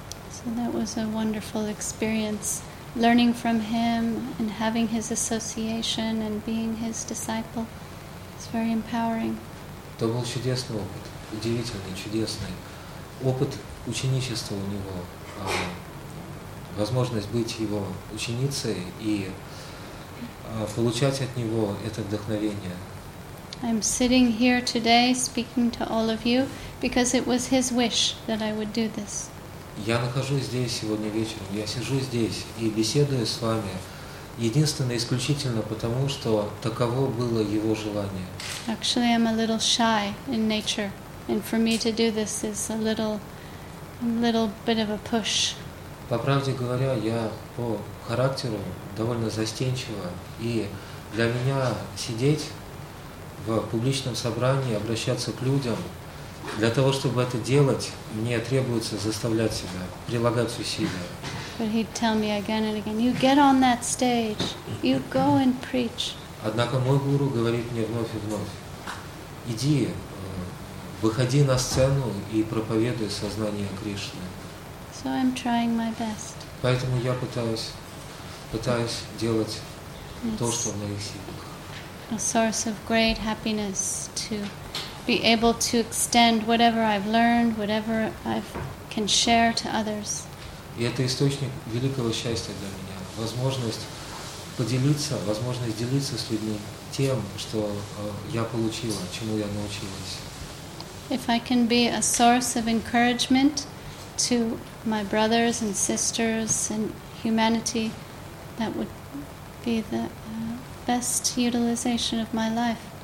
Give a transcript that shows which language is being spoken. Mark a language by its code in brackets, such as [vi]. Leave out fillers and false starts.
[en] So that was a wonderful experience, learning from him and having his association and being his disciple. It's very empowering. [ru] Это был чудесный опыт, удивительный, чудесный опыт ученичества у него, возможность быть его ученицей и получать от него это вдохновение. [en] I'm sitting here today speaking to all of you because it was his wish that I would do this. [ru] Я нахожусь здесь сегодня вечером, я сижу здесь и беседую с вами единственно и исключительно потому, что таково было его желание. [en] Actually, I'm a little shy in nature, and for me to do this is a little bit of a push. [ru] По правде говоря, я по характеру довольно застенчива, и для меня сидеть в публичном собрании, обращаться к людям, для того, чтобы это делать, мне требуется заставлять себя, прилагать усилия. [en] But he'd tell me again and again, you get on that stage, you go and preach. [ru] Однако мой гуру говорит мне вновь и вновь, иди, выходи на сцену и проповедуй сознание Кришны. [en] So I'm trying my best. [ru] Поэтому я пытаюсь делать то, что в моих силах. [en] A source of great happiness to be able to extend whatever I've learned, whatever I can share to others. [ru] И это источник великого счастья для меня. Возможность поделиться, возможность делиться с людьми тем, что я получила, чему я научилась. [en] If I can be a source of encouragement to my brothers and sisters and humanity, that would be the best utilization of my life.